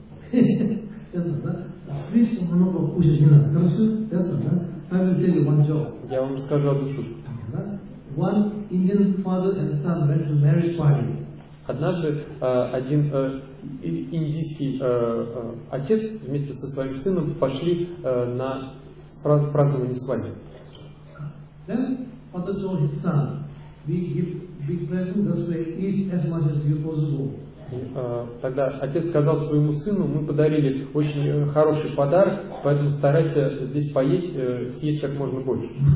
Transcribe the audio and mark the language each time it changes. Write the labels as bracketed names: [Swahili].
[Russian] Слишком много кушать не надо. Хорошо? Это, да? [English] I will tell you one joke. [Russian] Я вам расскажу одну шутку. [English] One Indian father and son went to marriage party. [Russian] Однажды один индийский отец вместе со своим сыном пошли на празднование свадьбы. [English] Then father told his son, we give big present, that's why eat as much as you possible. [Russian] Тогда отец сказал своему сыну: мы подарили очень хороший подарок, поэтому старайся здесь поесть, съесть как можно больше.